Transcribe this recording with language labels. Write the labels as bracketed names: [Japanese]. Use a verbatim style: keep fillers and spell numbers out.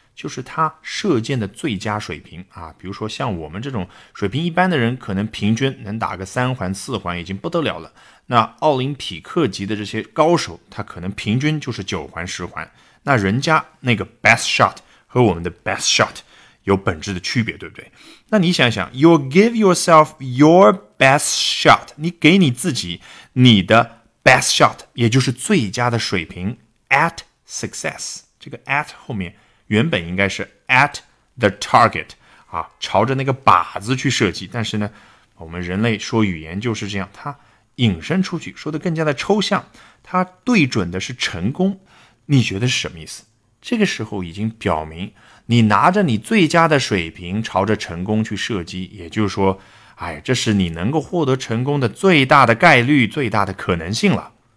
[Chinese] 就是他射箭的最佳水平啊，比如说像我们这种水平一般的人，可能平均能打个三环四环已经不得了了。那奥林匹克级的这些高手，他可能平均就是九环十环。那人家那个 [English] best shot [Chinese] 和我们的 best shot 有本质的区别，对不对？那你想想 ， [English] you give yourself your best shot， [Chinese] 你给你自己你的 best shot， 也就是最佳的水平 [English] at success。 [Chinese] 这个 at 后面。原本应该是 [English] at the target [Chinese] 啊，朝着那个靶子去射击。但是呢，我们人类说语言就是这样，它引申出去，说的更加的抽象。它对准的是成功，你觉得是什么意思？这个时候已经表明，你拿着你最佳的水平朝着成功去射击，也就是说，哎，这是你能够获得成功的最大的概率、最大的可能性了。